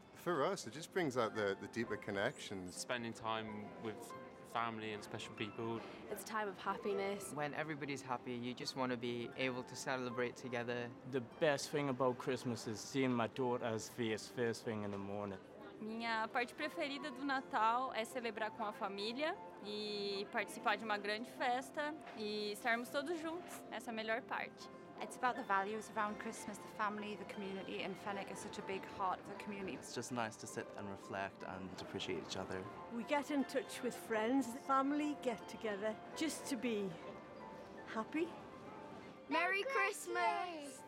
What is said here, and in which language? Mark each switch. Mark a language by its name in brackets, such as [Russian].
[English] For us, it just brings out the deeper connections. Spending time with family and special people. It's a time of happiness. When everybody's happy, you just want to be able to celebrate together. The best thing about Christmas is seeing my daughter's face first thing in the morning. [Portuguese] Minha parte preferida do Natal é celebrar com a família e participar de uma grande festa e estarmos todos juntos. Essa é a melhor parte. [English] It's about the values around Christmas, the family, the community, and Fenwick is such a big heart of the community. It's just nice to sit and reflect and appreciate each other. We get in touch with friends, family get together just to be happy. Merry Christmas!